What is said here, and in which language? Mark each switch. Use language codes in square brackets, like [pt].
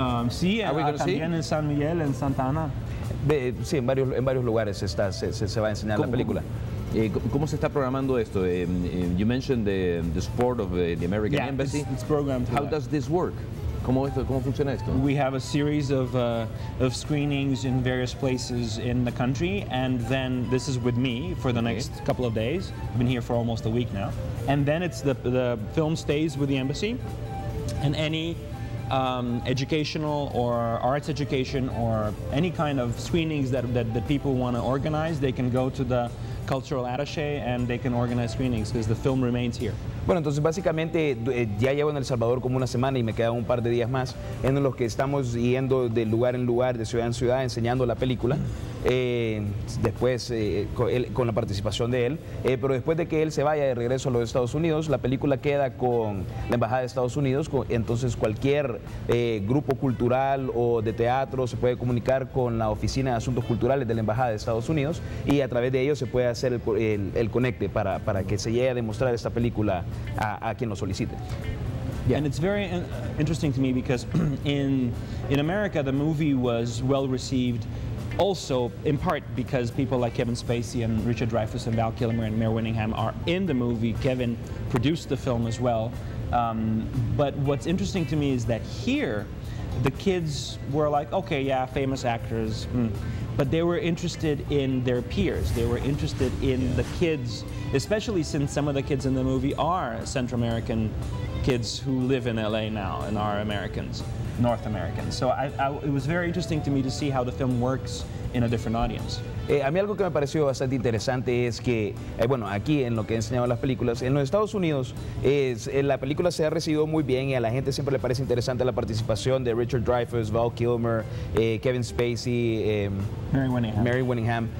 [es] Sí, también en San Miguel, en Santa Ana. Sí, en varios lugares se va a enseñar la película. ¿Cómo se está programando esto? [en] You mentioned the support of the American Embassy. Yeah, it's programmed. How does this work? [es] ¿Cómo funciona esto? [en] We have a series of screenings in various places in the country, and then this is with me for the next couple of days. I've been here for almost a week now. And then it's the film stays with the embassy, and any educational or arts education or any kind of screenings that people want to organize, they can go to the cultural attaché and they can organize screenings because the film remains here. [es] Bueno, entonces básicamente ya llevo en El Salvador como una semana y me quedan un par de días más en los que estamos yendo de lugar en lugar, de ciudad en ciudad, enseñando la película. Después con la participación de él, pero después de que él se vaya de regreso a los Estados Unidos, la película queda con la Embajada de Estados Unidos, entonces cualquier grupo cultural o de teatro se puede comunicar con la Oficina de Asuntos Culturales de la Embajada de Estados Unidos y a través de ellos se puede hacer el conecte para que se llegue a demostrar esta película a quien lo solicite. [en] Yeah. And it's very interesting to me because in America the movie was well received. Also, in part, because people like Kevin Spacey and Richard Dreyfuss and Val Kilmer and Mayor Winningham are in the movie. Kevin produced the film as well. But what's interesting to me is that here, the kids were like, okay, yeah, famous actors. But they were interested in their peers. They were interested in the kids, especially since some of the kids in the movie are Central American kids who live in LA now and are Americans. North American. So it was very interesting to me to see how the film works in a different audience. [es] A mí algo que me pareció bastante interesante es que, bueno, aquí en lo que he enseñado las películas, en los Estados Unidos la película se ha recibido muy bien y a la gente siempre le parece interesante la participación de Richard Dreyfuss, Val Kilmer, Kevin Spacey, Mary Winningham.